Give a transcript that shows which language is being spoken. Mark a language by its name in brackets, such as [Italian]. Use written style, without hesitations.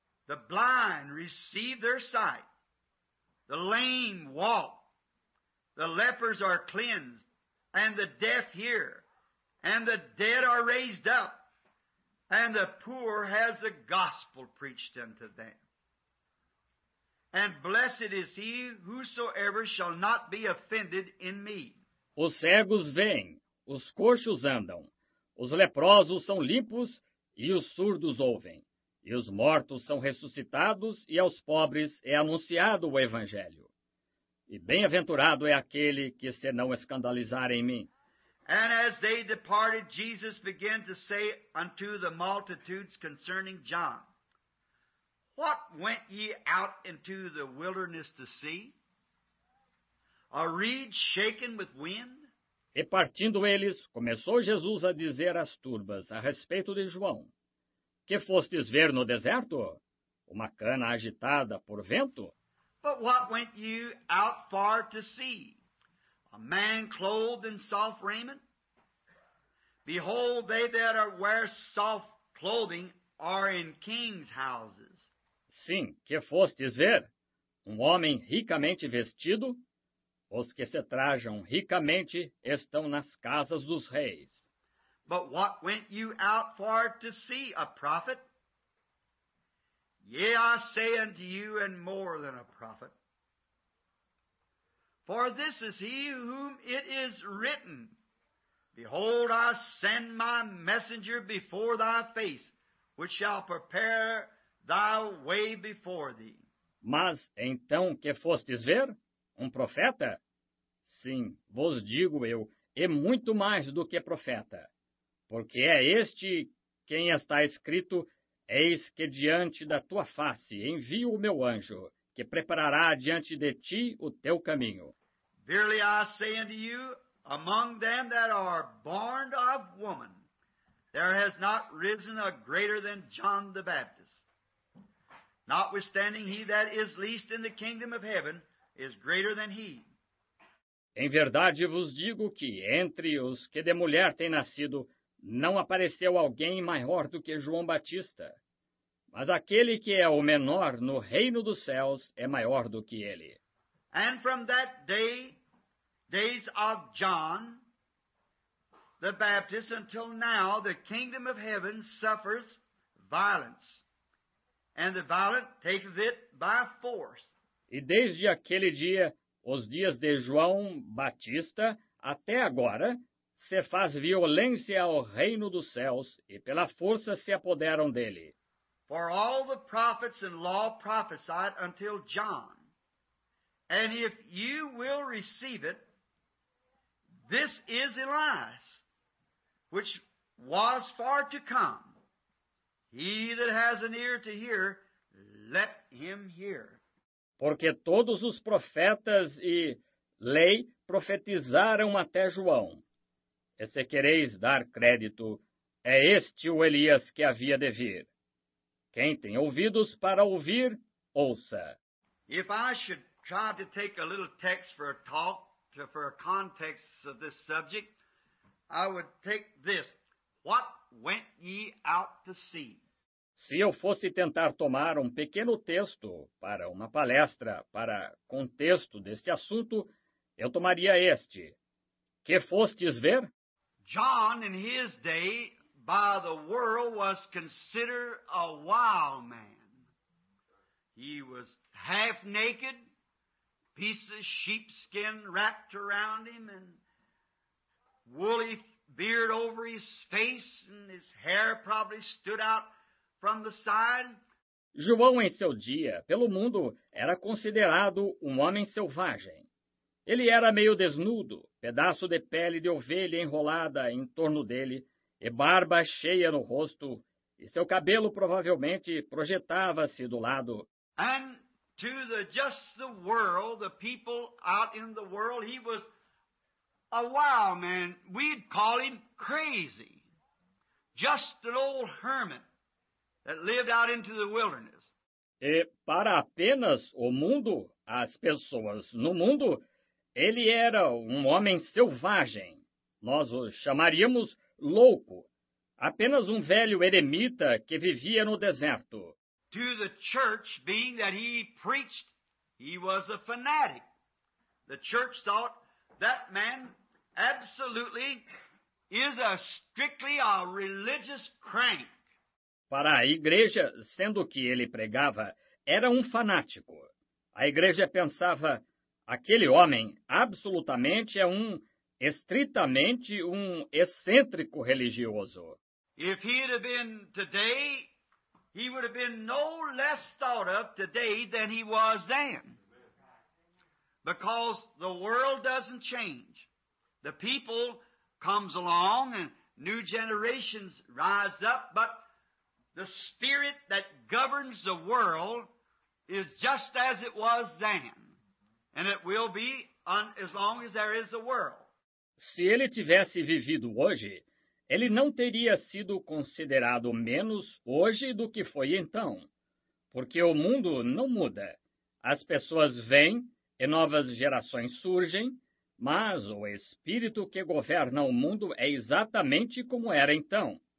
[English] The blind receive their sight, the lame walk, the lepers are cleansed, and the deaf hear, and the dead are raised up, and the poor has the gospel preached unto them. And blessed is he whosoever shall not be offended in me. [Portuguese] Os cegos veem, os coxos andam, os leprosos são limpos, e os surdos ouvem. E os mortos são ressuscitados, e aos pobres é anunciado o Evangelho. E bem-aventurado é aquele que se não escandalizar em mim. [English] And as they departed, Jesus began to say unto the multitudes concerning John, What went ye out into the wilderness to see? A reed shaken with wind? [Portuguese] E partindo eles, começou Jesus a dizer às turbas a respeito de João, Que fostes ver no deserto? Uma cana agitada por vento? [English] But what went you out far to see? A man clothed in soft raiment? Behold, they that are wear soft clothing are in kings' houses. [Portuguese] Sim, que fostes ver? Um homem ricamente vestido? Os que se trajam ricamente estão nas casas dos reis. [English] But what went you out for to see, a prophet? Yea, I say unto you, and more than a prophet. For this is he whom it is written, Behold, I send my messenger before thy face, which shall prepare thy way before thee. [Portuguese] Mas então que fostes ver? Um profeta? Sim, vos digo eu, e muito mais do que profeta. Porque é este quem está escrito: eis que diante da tua face envio o meu anjo, que preparará diante de ti o teu caminho. [English] Verily I say unto you, among them that are born of woman, there has not risen a greater than John the Baptist. Notwithstanding, he that is least in the kingdom of heaven is greater than he. [Portuguese] Em verdade vos digo que, entre os que de mulher têm nascido, não apareceu alguém maior do que João Batista. Mas aquele que é o menor no reino dos céus é maior do que ele. [English] And from that day, days of John the Baptist, until now, the kingdom of heaven suffers violence, and the violent taketh it by force. [Portuguese] E desde aquele dia, os dias de João Batista, até agora, se faz violência ao reino dos céus, e pela força se apoderam dele. [English] For all the prophets and law prophesied until John. And if you will receive it, this is Elias, which was far to come. He that has an ear to hear, let him hear. [Portuguese] Porque todos os profetas e lei profetizaram até João. E se quereis dar crédito, é este o Elias que havia de vir. Quem tem ouvidos para ouvir, ouça. [English] If I should try to take a little text for a talk, for a context of this subject, I would take this. What went ye out to see? [Portuguese] Se eu fosse tentar tomar um pequeno texto para uma palestra, para contexto desse assunto, eu tomaria este. Que fostes ver? [English] John, in his day, by the world, was considered a wild man. He was half naked, pieces of sheepskin wrapped around him, and woolly beard over his face, and his hair probably stood out from the side. [Portuguese] João, em seu dia, pelo mundo, era considerado um homem selvagem. Ele era meio desnudo, pedaço de pele de ovelha enrolada em torno dele, e barba cheia no rosto, e seu cabelo provavelmente projetava-se do lado. [English] And to the just the world, the people out in the world, he was a wild man. We'd call him crazy. Just an old hermit that lived out into the wilderness. [Portuguese] E para apenas o mundo, as pessoas no mundo, ele era um homem selvagem. Nós o chamaríamos louco. Apenas um velho eremita que vivia no deserto. [English] To the church, being that he preached, he was a fanatic. The church thought that man absolutely is a strictly a religious crank. [Portuguese] Para a igreja, sendo que ele pregava, era um fanático. A igreja pensava: aquele homem absolutamente é um, estritamente um excêntrico religioso. [English] If he had been today, he would have been no less thought of today than he was then. Because the world doesn't change. The people comes along and new generations rise up, but the spirit that governs the world is just as it was then. And it will be as long as there is a world. [Portuguese] Se ele tivesse vivido hoje, ele não teria sido considerado menos hoje do que foi então. Porque o mundo não muda. As pessoas vêm e novas gerações surgem, mas o espírito que governa o mundo é exatamente como era então.